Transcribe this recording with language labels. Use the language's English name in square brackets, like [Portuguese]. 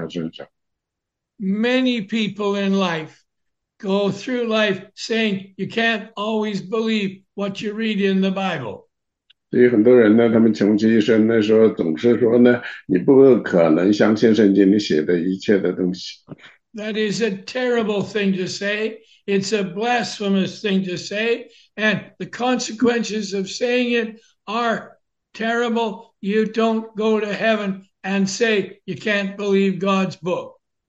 [Chinese] 因为这个里面呢，如果你在神的话里加上什么，那么这样的惩罚呢，就是把这些本书写的所有的灾祸加在他身上。Many [English] people in life go through life saying you can't always believe what you read in the Bible. [Chinese] 所以很多人呢，他们穷其一生的时候，总是说呢，你不可能相信圣经里写的一切的东西。That [English] is a terrible thing to say. It's a blasphemous thing to say, and the consequences of saying it are terrible. You don't go to heaven and say you can't believe God's book.